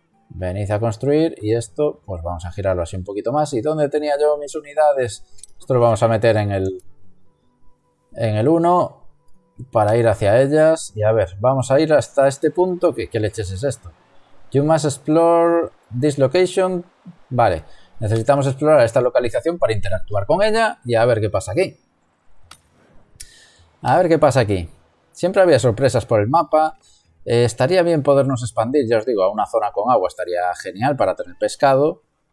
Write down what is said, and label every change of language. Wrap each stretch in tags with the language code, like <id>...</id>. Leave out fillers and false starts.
<es>Venid a construir. Y esto, pues vamos a girarlo así un poquito más. ¿Y dónde tenía yo mis unidades? Esto lo vamos a meter en el 1 para ir hacia ellas. Y a ver, vamos a ir hasta este punto. ¿Qué leches es esto?</es> <en>You must explore this location.</en> <es>Vale. Necesitamos explorar esta localización para interactuar con ella y a ver qué pasa aquí. A ver qué pasa aquí. Siempre había sorpresas por el mapa. Estaría bien podernos expandir, ya os digo, a una zona con agua estaría genial para tener pescado.</es>